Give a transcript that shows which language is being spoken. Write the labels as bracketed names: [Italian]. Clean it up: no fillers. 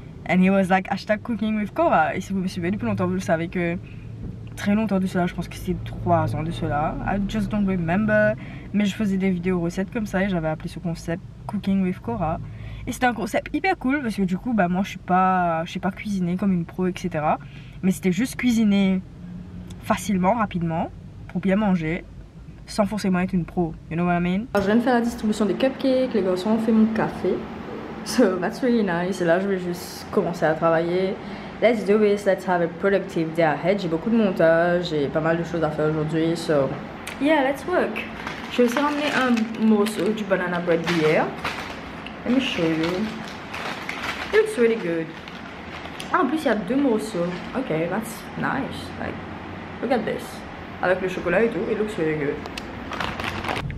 [English] And he was like hashtag cooking with Cora. [French] Et si vous me suivez depuis longtemps, vous le savez que... Très longtemps de cela, je pense que c'est 3 ans de cela. [English] I just don't remember. [French] Mais je faisais des vidéos recettes comme ça et j'avais appelé ce concept Cooking with Cora. Et c'était un concept hyper cool parce que du coup, bah moi je sais pas cuisiner comme une pro, etc. Mais c'était juste cuisiner facilement, rapidement, pour bien manger, sans forcément être une pro. [English] You know what I mean? [French] Alors, je viens de faire la distribution des cupcakes, les garçons ont fait mon café. [English] So that's really nice. [French] Et là, je vais juste commencer à travailler. [English] Let's do this, let's have a productive day ahead. [French] J'ai beaucoup de montage et pas mal de choses à faire aujourd'hui. [English] So yeah, let's work. [French] J'ai aussi ramené un morceau du banana bread d'hier. [English] Let me show you. It looks really good. [French] Ah, en plus, il y a deux morceaux. [English] Ok, that's nice. Like, look at this. [French] Avec le chocolat et tout, [English] it looks really good.